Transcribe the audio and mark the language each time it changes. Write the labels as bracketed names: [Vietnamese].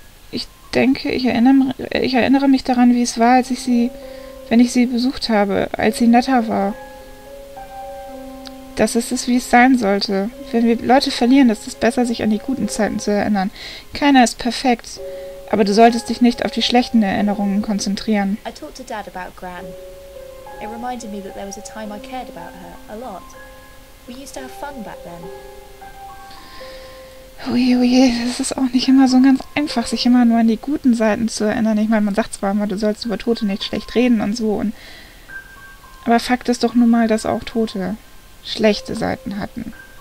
[German] Ich denke, ich erinnere mich daran, wie es war, wenn ich sie besucht habe, als sie netter war. Das ist es, wie es sein sollte. Wenn wir Leute verlieren, ist es besser, sich an die guten Zeiten zu erinnern. Keiner ist perfekt, aber du solltest dich nicht auf die schlechten Erinnerungen konzentrieren. [English] I talked to Dad about Gran. It reminded me that there was a time I cared about her, a lot. We used to have fun back then. [German] Uiui, es ist auch nicht immer so ganz einfach, sich immer nur an die guten Seiten zu erinnern. Ich meine, man sagt zwar immer, du sollst über Tote nicht schlecht reden und so, und aber Fakt ist doch nun mal, dass auch Tote schlechte Seiten hatten.